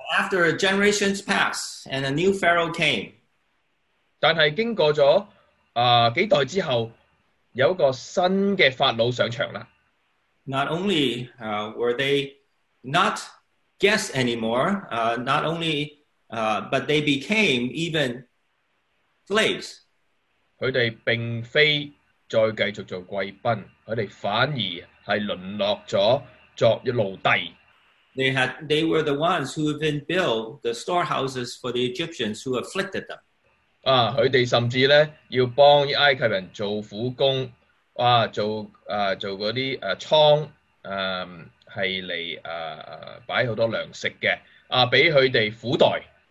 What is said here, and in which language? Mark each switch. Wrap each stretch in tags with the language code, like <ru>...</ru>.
<en>After generations pass and a new pharaoh came，</en> <yue>但係經過咗幾代之後，有一個新嘅法老上場啦。</yue> <en>Not only were they not guests anymore, not only but they became even slaves。</en> <yue>佢哋並非再繼續做貴賓，佢哋反而係淪落咗作奴隸。</yue> <en>They were the ones who even built the storehouses for the Egyptians who afflicted them.</en> <yue>啊，佢哋甚至咧要幫埃及人做苦工，哇，做啊做嗰啲啊倉，係嚟啊擺好多糧食嘅，啊俾佢哋苦待。</yue>